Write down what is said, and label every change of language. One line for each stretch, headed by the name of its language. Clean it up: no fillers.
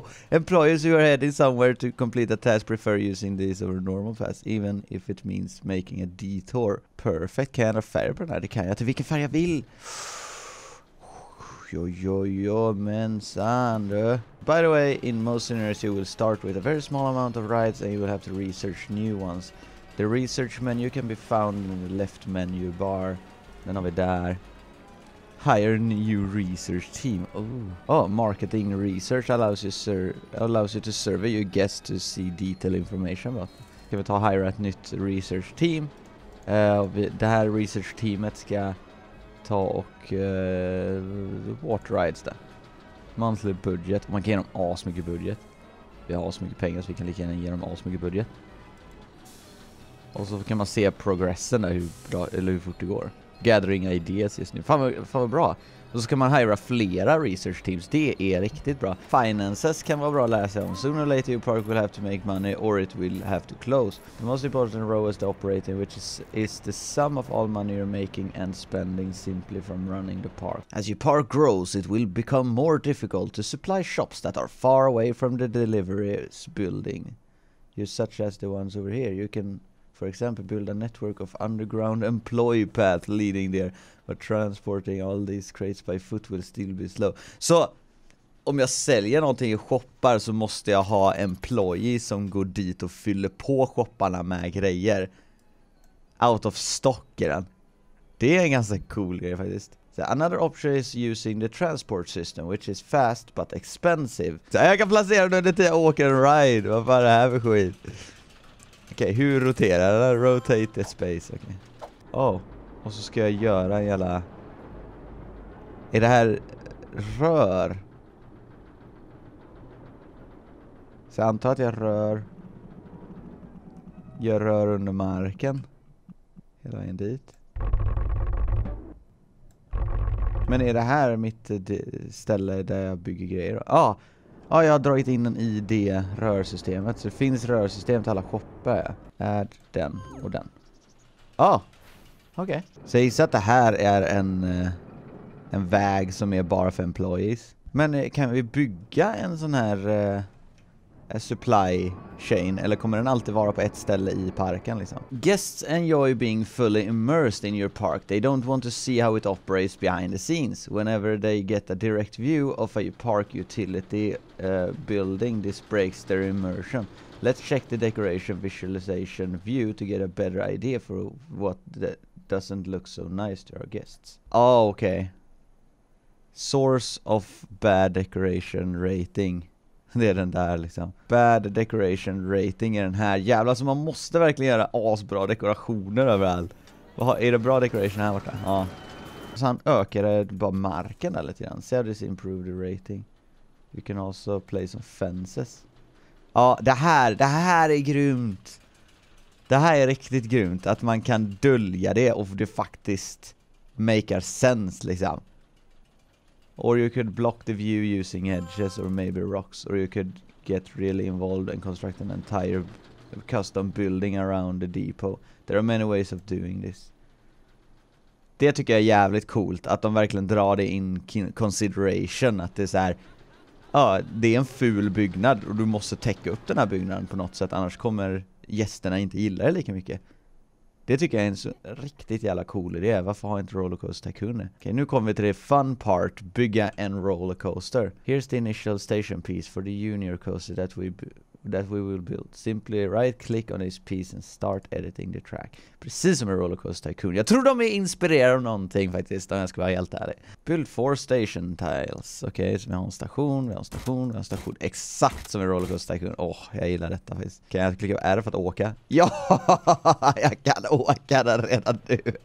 English: Employees who are heading somewhere to complete a task prefer using this over normal path. Even if it means making a detour. Perfect.
Swedish: Kan jag ha färg på den här? Det kan jag. Till vilken färg jag vill. Jo, men sand.
English: By the way, in most scenarios you will start with a very small amount of rides and you will have to research new ones. The research menu can be found in the left menu bar.
Swedish: Den har vi där.
English: Hire new research team. Oh, marketing research allows you to survey your guests to see detailed information.
Swedish: Ska vi ta hire ett nytt research team. Det här research teamet ska ta och water rides där. Monthly budget. Man kan ge dem as mycket budget. Vi har as mycket pengar så vi kan lika gärna ge dem as mycket budget. Och så kan man se progressen där, hur fort det går.
English: Gathering ideas
Swedish: just nu. Fan vad bra. Och så kan man hyra flera research teams. Det är riktigt bra. Finances kan vara bra att läsa om.
English: Sooner or later your park will have to make money or it will have to close. The most important row is the operating, which is the sum of all money you're making and spending simply from running the park. As your park grows, it will become more difficult to supply shops that are far away from the delivery building. Just such as the ones over here. You can... For example, build a network of underground employee path leading there. But transporting all these crates by foot will still be slow. Så,
Swedish: om jag säljer någonting i shoppar så måste jag ha employee som går dit och fyller på shopparna med grejer. Out of stock är den. Det är en ganska cool grej faktiskt.
English: So another option is using the transport system, which is fast but expensive.
Swedish: Så jag kan placera den under tiden jag åker en ride. Vad fan är det här för skit? Okej, hur roterar den?
English: Rotate the space.
Swedish: Okej. Oh, och så ska jag göra en jävla... Är det här rör? Så jag antar att jag rör... Gör rör under marken. Hela vägen dit. Men är det här mitt ställe där jag bygger grejer? Ah, jag har dragit in en ID rörsystemet. Så det finns rörsystem till alla shoppar. Är den och den. Okej. Så jag gissar att det här är en väg som är bara för employees. Men kan vi bygga en sån här supply chain? Eller kommer den alltid vara på ett ställe i parken liksom?
English: Guests enjoy being fully immersed in your park. They don't want to see how it operates behind the scenes. Whenever they get a direct view of a park utility building, this breaks their immersion. Let's check the decoration visualization view to get a better idea for what that doesn't look so nice to our guests. Oh, okay. Source of bad decoration rating.
Swedish: Det är den där liksom. Bad decoration rating är den här. Jävlar, så man måste verkligen göra asbra dekorationer överallt. Vad har, är det bra decoration här borta? Ja. Så han ökar det bara marken eller lite grann.
English: See how this improved the rating. You can also play some fences.
Swedish: Ja, det här är grymt. Det här är riktigt grymt. Att man kan dölja det och det faktiskt
English: makes sense
Swedish: liksom.
English: Or you could block the view using edges or maybe rocks. Or you could get really involved and construct an entire custom building around the depot. There are many ways of doing this.
Swedish: Det tycker jag är jävligt coolt. Att de verkligen drar det
English: in consideration.
Swedish: Att det är så här, ja, det är en ful byggnad och du måste täcka upp den här byggnaden på något sätt. Annars kommer gästerna inte gilla det lika mycket. Det tycker jag är en så riktigt jävla cool idé. Varför har inte Rollercoaster Tycoon? Okej, nu kommer vi till det fun part. Bygga en rollercoaster.
English: Here's the initial station piece for the junior coaster that we will build. Simply right click on this piece and start editing the track.
Swedish: Precis som en Rollercoaster Tycoon. Jag tror de är inspirerade av någonting faktiskt. Om jag ska vara helt ärlig. Build 4 station tiles. Okej, så vi har en station, vi har en station, vi har en station. Exakt som en Rollercoaster Tycoon. Åh, jag gillar detta faktiskt. Kan jag klicka på R för att åka? Ja, jag kan åka där redan nu.